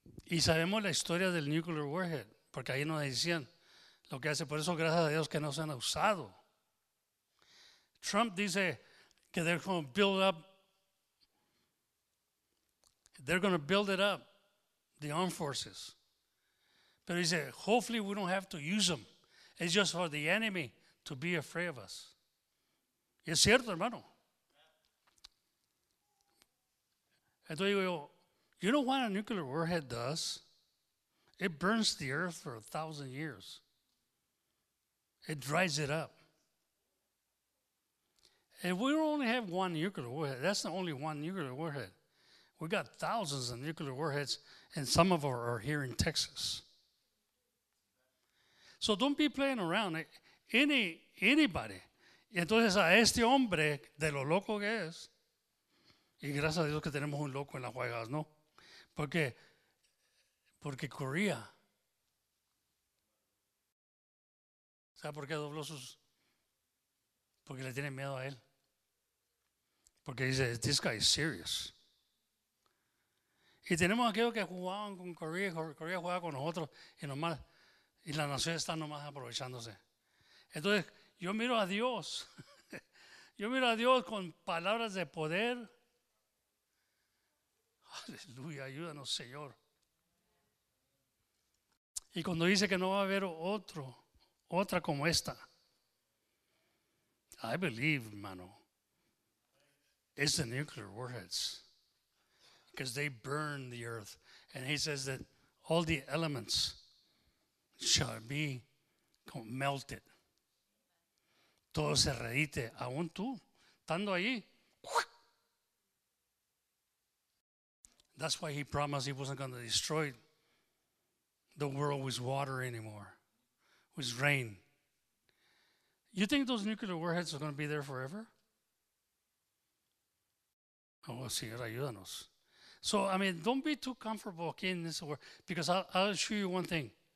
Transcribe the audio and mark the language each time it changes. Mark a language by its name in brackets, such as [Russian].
[Spanish] Y sabemos la historia del nuclear warhead, porque ahí nos decían lo que hace. Por eso, gracias a Dios, que no se han usado. Trump dice que [English] they're going to build up, they're going to build it up, the armed forces. But he said, hopefully we don't have to use them. It's just for the enemy to be afraid of us. [Spanish] Es cierto, hermano. Entonces digo yo, [English] you know what a nuclear warhead does? It burns the earth for 1,000 years. It dries it up. If we only have one nuclear warhead, that's the only one nuclear warhead. We got thousands of nuclear warheads, and some of them are here in Texas. So don't be playing around. Anybody. [Spanish] Entonces a este hombre, de lo loco que es, y gracias a Dios que tenemos un loco en las huelgas, ¿no? Porque corría. ¿Sabe por qué dobló sus? Porque le tiene miedo a él. Porque dice, [English] this guy is serious. [Spanish] Y tenemos aquellos que jugaban con Corea, Corea jugaba con nosotros, y nomás, y la nación está nomás aprovechándose. Entonces, yo miro a Dios. Yo miro a Dios con palabras de poder. Aleluya, ayúdanos, Señor. Y cuando dice que no va a haber otra como esta, [English] I believe, [Spanish] hermano, [English] it's the nuclear warheads. Because they burn the earth. And he says that all the elements shall be melted. [Spanish] Todo se redite, aún tú, estando ahí. [English] That's why he promised he wasn't going to destroy the world with water anymore, with rain. You think those nuclear warheads are going to be there forever? [Spanish] Oh, Señor, ayúdanos. [English] So, I mean, don't be too comfortable aquí in this world, because I'll show you one thing.